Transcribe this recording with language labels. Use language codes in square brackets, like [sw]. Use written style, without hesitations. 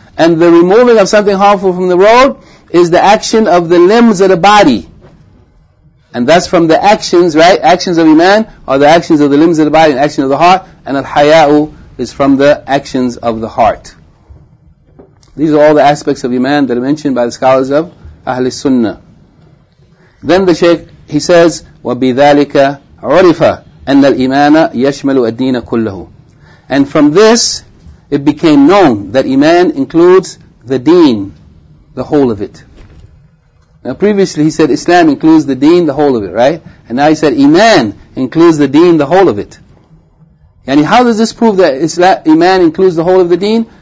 [en] And the removing of something harmful from the road is the action of the limbs of the body. And that's from the actions, right? Actions of Iman are the actions of the limbs of the body and action of the heart. And al-haya'u is from the actions of the heart. These are all the aspects of Iman that are mentioned by the scholars of Ahl Sunnah. Then the Shaykh, he says, [ar] وَبِذَلِكَ عُرِفَ أَنَّ الْإِمَانَ يَشْمَلُ الدِّينَ كُلَّهُ. [en] And from this, it became known that Iman includes the deen, the whole of it. Now previously he said Islam includes the deen, the whole of it, right? And now he said Iman includes the deen, the whole of it. And how does this prove that Iman includes the whole of the deen?